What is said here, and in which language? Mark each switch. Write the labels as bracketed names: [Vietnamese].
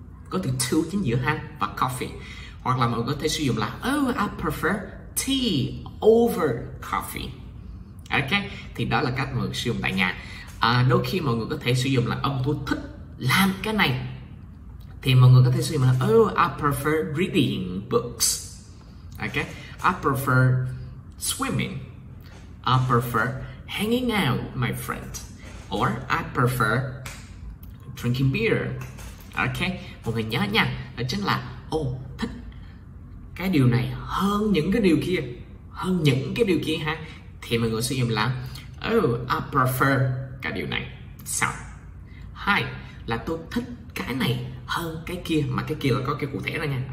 [Vietnamese] Có từ to chính giữa ha, và coffee. Hoặc là mọi người có thể sử dụng là [English] oh, I prefer tea over coffee. [Vietnamese] Ok, thì đó là cách mọi người sử dụng tại nhà. Đôi khi mọi người có thể sử dụng là ông tôi thích làm cái này, thì mọi người có thể sử dụng là [English] oh, I prefer reading books. Ok, I prefer swimming, I prefer hanging out with my friend, or I prefer drinking beer. [Vietnamese] Ok, mọi người nhớ nha, đó chính là thích cái điều này hơn những cái điều kia, hơn những cái điều kia ha, thì mọi người sử dụng là [English] oh, I prefer [Vietnamese] cái điều này. Xong, hai là tôi thích cái này hơn cái kia, mà cái kia là có cái cụ thể đó nha.